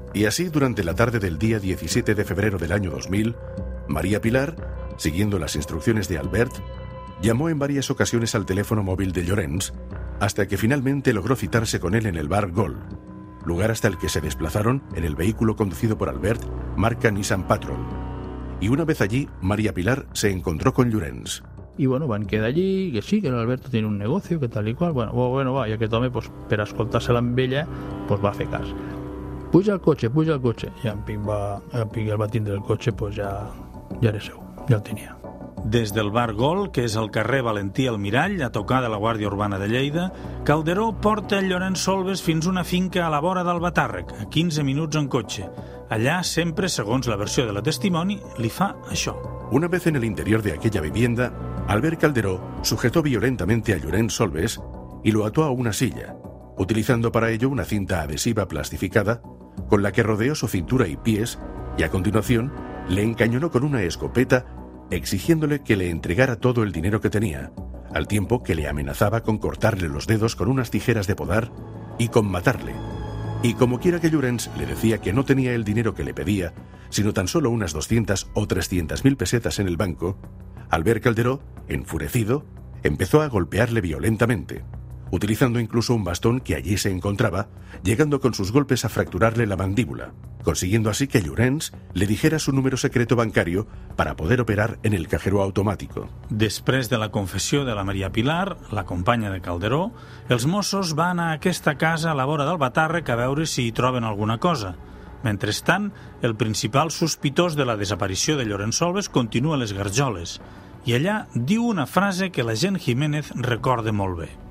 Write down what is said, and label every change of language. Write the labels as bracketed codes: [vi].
[es] Y así, durante la tarde del día 17 de febrero del año 2000, María Pilar, siguiendo las instrucciones de Albert, llamó en varias ocasiones al teléfono móvil de Llorenç, hasta que finalmente logró citarse con él en el bar Gol, lugar hasta el que se desplazaron en el vehículo conducido por Albert, marca Nissan Patrol. Y una vez allí, María Pilar se encontró con Llorenç. [ca] I bueno, van quedar allí, que sí, que l'Alberto [es] tiene un negocio, [ca] que tal i qual. Bueno, va, i aquest home, pues, per escoltar-se-la amb ella, pues, va fer cas. Puja al cotxe. I el va tindre el cotxe, pues, ja era seu, ja el tenia. Des del bar Gol, que és el carrer Valentí Almirall, a tocar de la Guàrdia Urbana de Lleida, Calderó porta el Llorenç Solves fins una finca a la vora d'Albatàrrec, a 15 minuts en cotxe. Allà, sempre, segons la versió de la testimoni, li fa això. [es] Una vez en el interior de aquella vivienda, Albert Calderó sujetó violentamente a Llorenç Solves y lo ató a una silla, utilizando para ello una cinta adhesiva plastificada con la que rodeó su cintura y pies y a continuación le encañonó con una escopeta exigiéndole que le entregara todo el dinero que tenía, al tiempo que le amenazaba con cortarle los dedos con unas tijeras de podar y con matarle. Y como quiera que Llorenç le decía que no tenía el dinero que le pedía, sino tan solo unas 200 o 300 mil pesetas en el banco, Albert Calderó, enfurecido, empezó a golpearle violentamente, utilizando incluso un bastón que allí se encontraba, llegando con sus golpes a fracturarle la mandíbula, consiguiendo así que Llorenç le dijera su número secreto bancario para poder operar en el cajero automático. [ca] Després de la confessió de la Maria Pilar, la companya de Calderó, els Mossos van a aquesta casa a la vora d'Albatàrrec a veure si hi troben alguna cosa. Mentrestant, el principal sospitós de la desaparició de Llorenç Solves continua a les Garjoles i allà diu una frase que la gent Jiménez recorda molt bé.